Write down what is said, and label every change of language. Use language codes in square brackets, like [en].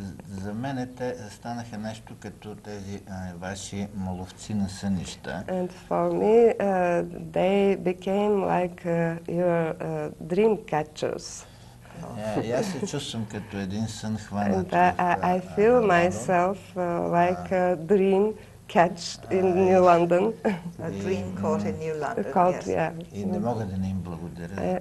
[bg] За мен те станаха нещо като тези ваши маловци на сънища. [en] And for me, they became like your dream catchers. [bg] Аз се чувствам като един сън хванат. [en] And I feel myself like a dream catched in New London. A dream caught in New London. Caught, yes. Yeah. [bg] И не мога да не им благодаря.